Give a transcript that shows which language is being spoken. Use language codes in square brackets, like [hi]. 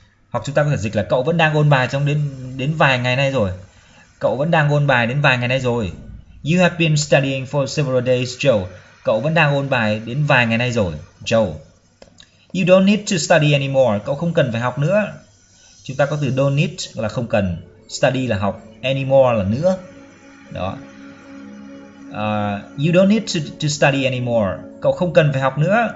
[vi] Hoặc chúng ta có thể dịch là cậu vẫn đang ôn bài trong đến vài ngày nay rồi. Cậu vẫn đang ôn bài đến vài ngày nay rồi. [en] You have been studying for several days, Joe. [vi] Cậu vẫn đang ôn bài đến vài ngày nay rồi, Joe. [en] You don't need to study anymore. [vi] Cậu không cần phải học nữa. Chúng ta có từ don't need là không cần, study là học, anymore là nữa. Đó. [en] You don't need to study anymore. [vi] Cậu không cần phải học nữa.